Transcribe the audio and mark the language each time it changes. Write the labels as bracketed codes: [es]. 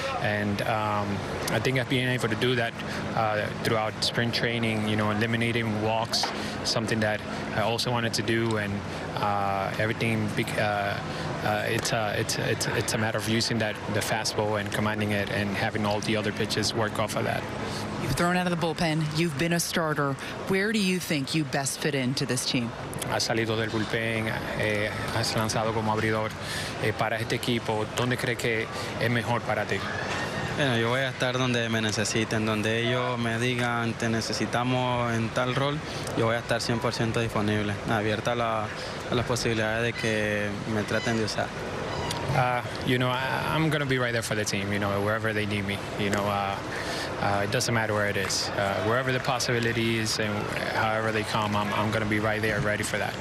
[en] And I think I've been able to do that throughout spring training, you know, eliminating walks, something that I also wanted to do. And everything, it's a matter of using that, the fastball, and commanding it and having all the other pitches work off of that. You've thrown out of the bullpen. You've been a starter. Where do you think you best fit into this team? [es] Has salido del bullpen, has lanzado como abridor para este equipo. ¿Dónde crees que es mejor para ti? Bueno, yo voy a estar donde me necesiten, donde ellos me digan te necesitamos en tal rol, yo voy a estar 100% disponible, abierta a las posibilidades de que me traten de usar. [en] You know, I'm going to be right there for the team, you know, wherever they need me, you know, it doesn't matter where it is, wherever the possibility is and however they come, I'm going to be right there ready for that.